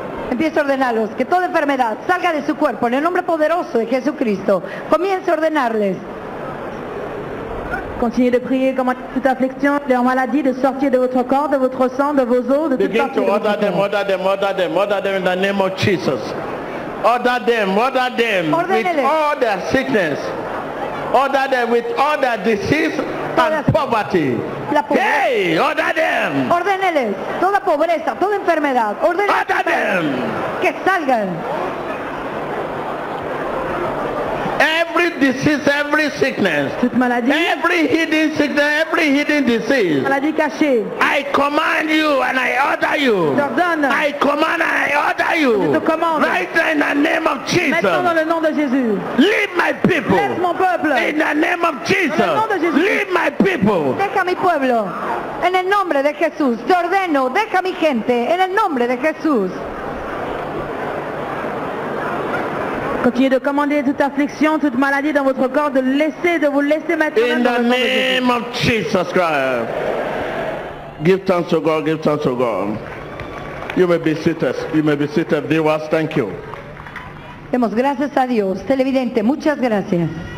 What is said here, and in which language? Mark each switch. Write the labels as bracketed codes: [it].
[es] Empieza a ordenarlos, que toda enfermedad salga de su cuerpo, en el nombre poderoso de Jesucristo. Comience a ordenarles. [fr] Continue de prier comme toute affliction, leur maladie de sortir de votre corps, de votre sang, de vos os, de toute partie de votre corps. [en] Begin to order them in the name of Jesus. Order them [es] Ordenele. [en] With all their sickness. Order them with all their disease and poverty. Hey, order them. [es] Ordeneles. Toda pobreza, toda enfermedad. Ordeneles. [en] Order them. [es] Que salgan. [en] Every disease, every sickness, [fr] toute maladie, [en] every hidden sickness, every hidden disease, [fr] maladie cachée. [en] I command you and I order you. I command and I order you. [fr] Je te commande. [en] Right now in the name of Jesus. [fr] Maintenant dans le nom de Jésus. [en] Leave my people. [fr] Laisse mon peuple. [en] In the name of Jesus. [fr] Dans le nom de Jésus. [en] Leave my people. [es] Deja mi pueblo. En el nombre de Jesús. Te ordeno. Deja mi gente. En el nombre de Jesús. [fr] Continue de commander toute affliction, toute maladie dans votre corps, de vous laisser maintenant. [en] In the name of Jesus Christ. Give thanks to God, give thanks to God. You may be seated, viewers, thank you. [es] Demos gracias a Dios. Televidente, muchas gracias.